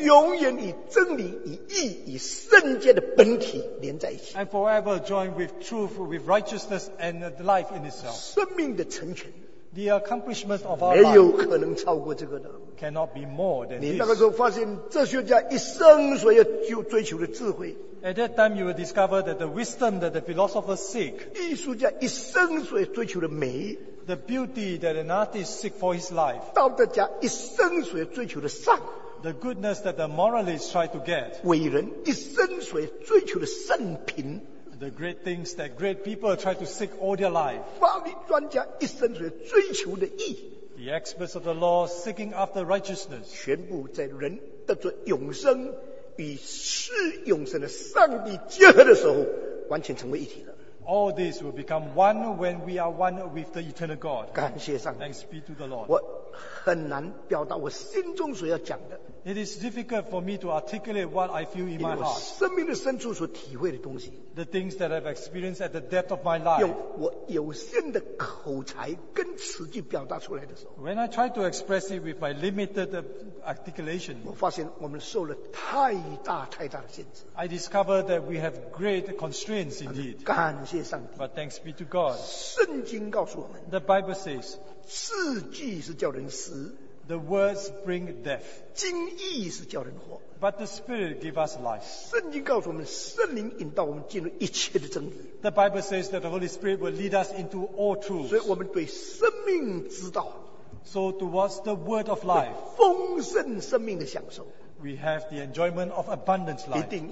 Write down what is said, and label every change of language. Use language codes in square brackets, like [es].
[zh] 永远与真理、与义、与圣洁的本体连在一起。 [en] And forever joined with truth, with righteousness and life in itself. [zh] 生命的成全。 [en] The accomplishment of our [zh] life 没有可能超过这个的。 [en] Cannot be more than this. [zh] 你那个时候发现哲学家一生所要追求的智慧。 [en] At that time, you will discover that the wisdom that the philosophers seek. [zh] 艺术家一生所要追求的美。 [en] The beauty that an artist seek for his life. [zh] 道德家一生所要追求的善。 [en] The goodness that the moralist try to get. [zh] 伟人一生所要追求的圣品。 [en] the great things that great people try to seek all their life. [zh] 法律专家一生所追求的义, [en] the experts of the law seeking after righteousness. [zh] 全部在人得着永生与世永生的上帝结合的时候，完全成为一体了。 [en] All this will become one when we are one with the eternal God. [zh] 感谢上帝, [en] thanks be to the Lord. [zh] 我很难表达我心中所要讲的。 [en] It is difficult for me to articulate what I feel in my heart. [zh] 生命的深处所体会的东西, [en] the things that I've experienced at the depth of my life. [zh] 用我有限的口才跟词句表达出来的时候, [en] when I try to express it with my limited articulation, [zh] 我发现我们受了太大太大的限制。 [en] I discover that we have great constraints indeed. [zh] 感谢上帝。 [en] But thanks be to God. [zh] 圣经告诉我们, [en] the Bible says, [zh] 字句是叫人死。 [en] The words bring death. [zh] 经义是叫人活, [en] but the Spirit gives us life. [zh] 圣经告诉我们，圣灵引导我们进入一切的真理。 [en] The Bible says that the Holy Spirit will lead us into all truth. [zh] 所以我们对生命知道, [en] so towards the word of life, [zh] 丰盛生命的享受, [en] we have the enjoyment of abundant life.